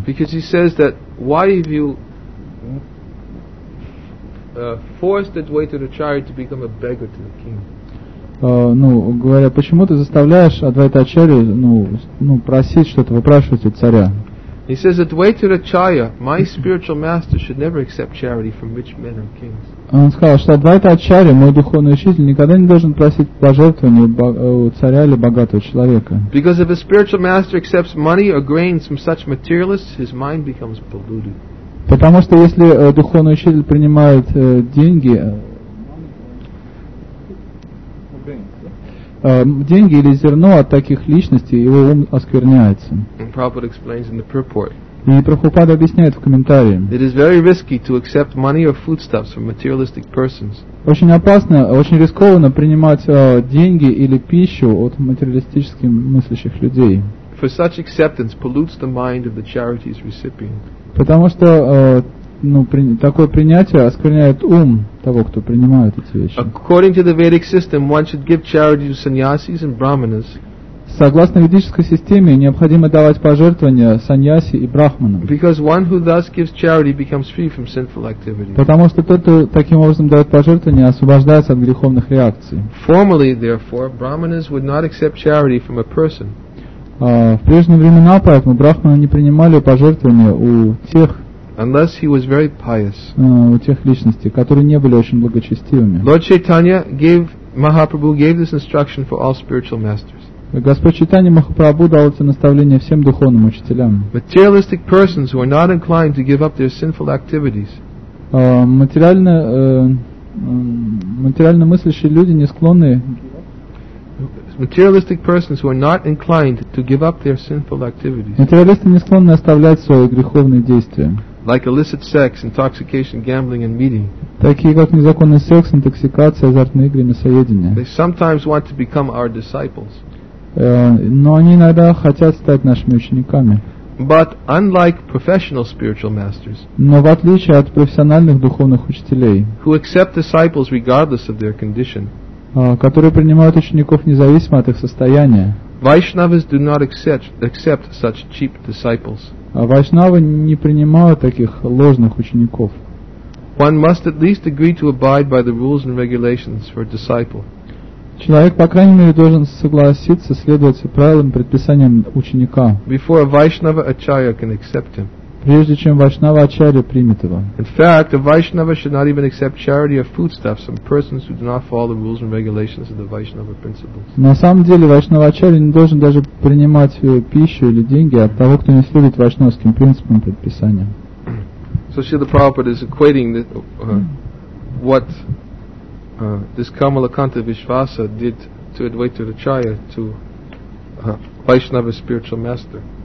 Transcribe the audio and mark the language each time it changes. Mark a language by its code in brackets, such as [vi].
[en] Because he says that why have you forced Advaita Acharya to become a beggar to the king? [ru] Говоря, почему ты заставляешь Адвайта Ачарью, просить что-то, выпрашивать у царя? [en] He says, Advaita Acharya, my spiritual master, should never accept charity from rich men or kings. [ru] Он сказал, что Адвайта Ачарья, мой духовный учитель, никогда не должен просить пожертвования у царя или богатого человека. [en] Because if a spiritual master accepts money or grains from such materialists, his mind becomes polluted. [ru] Потому что если духовный учитель принимает деньги, деньги или зерно от таких личностей, его ум оскверняется. [en] And Prabhupada explains in the purport. [ru] И Прабхупада объясняет в комментарии. [en] It is very risky to accept money or foodstuffs from materialistic persons. [ru] Очень опасно, очень рискованно принимать деньги или пищу от материалистически мыслящих людей. [en] For such acceptance pollutes the mind of the charity's recipient. [ru] Потому что такое принятие оскверняет ум того, кто принимает эти вещи. [en] According to the Vedic system, one should give charity to sannyasis and brahmanas. [ru] Согласно ведической системе, необходимо давать пожертвования саньяси и брахманам. [en] Because one who thus gives charity becomes free from sinful activity. [ru] Потому что тот, кто таким образом дает пожертвования, освобождается от греховных реакций. [en] Formerly, therefore, brahmanas would not accept charity from a person. [ru] В прежние времена, поэтому, брахманы не принимали пожертвования у тех, [en] unless he was very pious. [ru] У тех личностей, которые не были очень благочестивыми. [en] Lord Chaitanya gave, Mahaprabhu gave this instruction for all spiritual masters. [ru] Господь Чайтанья Махапрабху дал это наставление всем духовным учителям. [en] Materialistic persons who are not inclined to give up their sinful activities. [ru] Материально мыслящие люди не склонны. [en] materialistic persons who are not inclined to give up their sinful activities. [ru] Материалисты не склонны оставлять свои греховные действия. [en] Like illicit sex, intoxication, gambling, and meeting. [ru] Такие как незаконный секс, интоксикация, азартные игры, мясоедение. [en] They sometimes want to become our disciples. [ru] Но они иногда хотят стать нашими учениками. [en] But unlike professional spiritual masters, [ru] но в отличие от профессиональных духовных учителей, [en] who accept disciples regardless of their condition, [ru] которые принимают учеников независимо от их состояния, [en] Vaishnavas do not accept such cheap disciples. [ru] Вайшнавы не принимают таких ложных учеников. [en] One must at least agree to abide by the rules and regulations for a disciple. [ru] Человек, по крайней мере, должен согласиться следовать правилам и предписаниям ученика. [en] Before a Vaishnava Acharya can accept him. [ru] Прежде чем Вайшнава Ачарья примет его. [en] In fact, a Vaishnava should not even accept charity or foodstuffs from persons who do not follow the rules and regulations of the Vaishnava principles. [ru] На самом деле, Вайшнава Ачарья не должен даже принимать пищу или деньги от того, кто не следует вайшнавским принципам и предписаниям. [en] So Srila Prabhupada is equating the, what this Kamalakanta Vishvasa did to Advaita Acharya to Vaishnava's spiritual master.